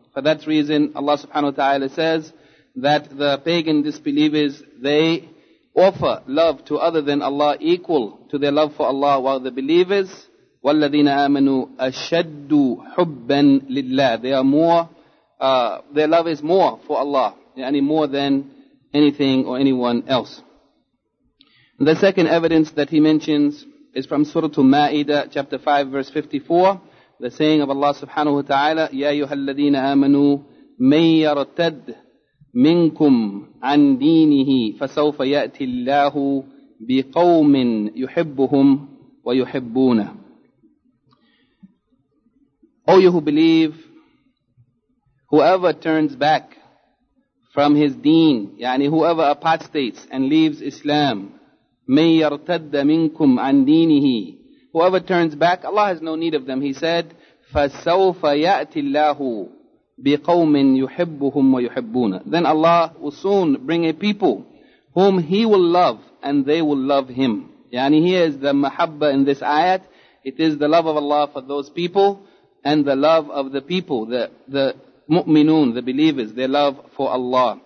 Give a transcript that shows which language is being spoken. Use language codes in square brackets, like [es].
[en] For that reason, Allah subhanahu wa ta'ala says that the pagan disbelievers, they offer love to other than Allah equal to their love for Allah, while the believers, [ar] وَالَّذِينَ آمَنُوا أَشَدُّ حُبًّا لِلَّهِ. [en] They are more, their love is more for Allah, yani more than anything or anyone else. The second evidence that he mentions is from Surah Ma'idah, chapter 5, verse 54. The saying of Allah subhanahu wa ta'ala, [ar] يَا أَيُّهَا الَّذِينَ آمَنُوا مَنْ يَرْتَدْ مِنْكُمْ عَنْ دِينِهِ فَسَوْفَ يَأْتِ اللَّهُ بقوم يحبهم ويحبونه. [en] O you who believe, whoever turns back from his deen, يعني whoever apostates and leaves Islam, [ar] مَنْ يَرْتَدَّ مِنْكُمْ عَنْ دِينِهِ, [en] whoever turns back, Allah has no need of them. He said, [ar] فَسَوْفَ يَأْتِ اللَّهُ بِقَوْمٍ يُحِبُّهُمْ وَيُحِبُّونَ. [en] Then Allah will soon bring a people whom He will love and they will love Him. يعني here is the mahabba in this ayat. It is the love of Allah for those people and the love of the people, the mu'minun, the believers, their love for Allah.